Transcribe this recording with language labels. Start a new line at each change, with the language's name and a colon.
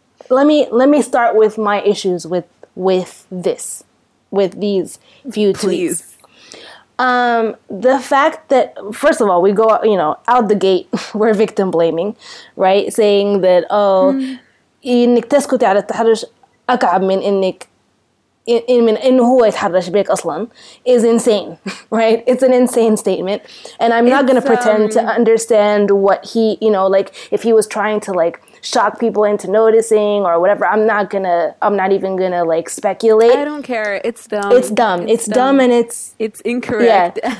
English: Let me start with my issues with these few tweets. Please. The fact that, first of all, we go, you know, out the gate, we're victim blaming, right? Saying that,
Arabic: إنك تسكتي على التحرش أكعب من إنك إنه هو يتحرش بك أصلاً
English: is insane, right? It's an insane statement. And I'm not going to pretend to understand what he, you know, like, if he was trying to, like, shock people into noticing or whatever. I'm not even gonna like speculate. I don't care. It's dumb. It's dumb. It's dumb and it's incorrect. Yeah.